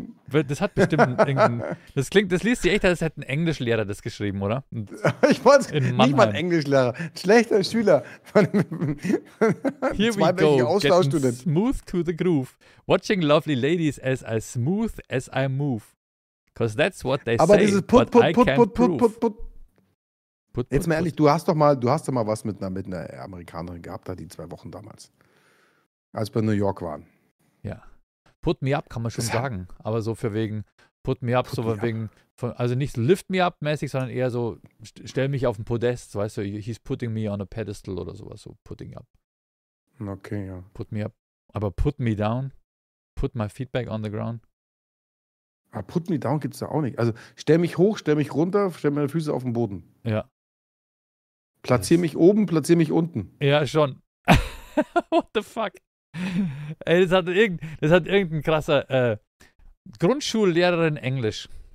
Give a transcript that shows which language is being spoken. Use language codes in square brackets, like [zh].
[de] Das hat bestimmt irgendein. Das liest sich echt, als hätte ein Englischlehrer das geschrieben, oder? Ich wollte es nicht mal ein Englischlehrer. Schlechter Schüler. [en] Here we go, getting smooth to the groove. Watching lovely ladies as I move. Because that's what they [de] aber [en] say. [de] Aber dieses [en] put. [de] Jetzt mal ehrlich, du hast doch mal was mit einer Amerikanerin gehabt, da die zwei Wochen damals. Als wir in New York waren. Ja. [en] Put me up [de] kann man schon sagen. Aber so für wegen, [en] put me up, put so me wegen, up. [de] Von, also nicht [en] lift me up [de] mäßig, sondern eher so, stell mich auf ein Podest, weißt du, [en] he's putting me on a pedestal oder sowas, so putting up. [de] Okay, ja. [en] Put me up. Aber put me down, put my feedback on the ground. Aber put me down gibt's da auch nicht. Also stell mich hoch, stell mich runter, stell meine Füße auf den Boden. Ja. Platzier mich oben, platzier mich unten. Ja, schon. What the fuck? Ey, das hat irgendein krasser Grundschullehrerin Englisch.